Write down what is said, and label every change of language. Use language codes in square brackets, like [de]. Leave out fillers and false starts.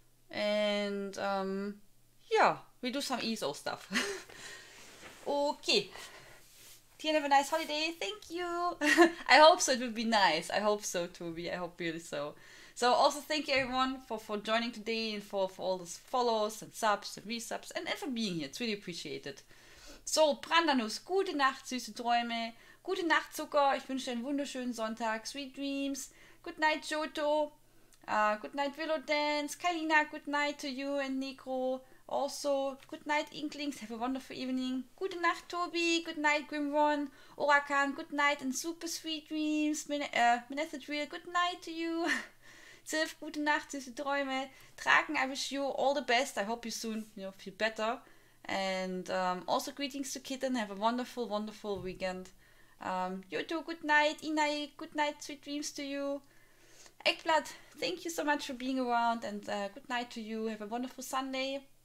[en] And, yeah, we do some ESO stuff. Okay. Tien, have a nice holiday. Thank you. I hope so. It would be nice. I hope so to be. I hope really so. So also thank you everyone for joining today and for all those follows and subs and resubs and for being here. It's really appreciated. [de] So, Brandanus, gute Nacht, süße Träume. Gute Nacht, Zucker. Ich wünsche einen wunderschönen Sonntag. [en] Sweet dreams. Good night, Joto. Good night, Willow Dance. Kalina, good night to you and Nico. Also, good night, Inklings. Have a wonderful evening. [de] Gute Nacht, [en] Tobi. Good night, Grimron. Orakan, good night and super sweet dreams. Minethadriel, good night to you. [de] Zilf, gute Nacht, süße Träume. [en] Draken, I wish you all the best. I hope you soon, you know, feel better. And also greetings to Kitten. Have a wonderful, wonderful weekend. Yoto, good night. Inai, good night, sweet dreams to you. Eggblood, thank you so much for being around. And good night to you. Have a wonderful Sunday.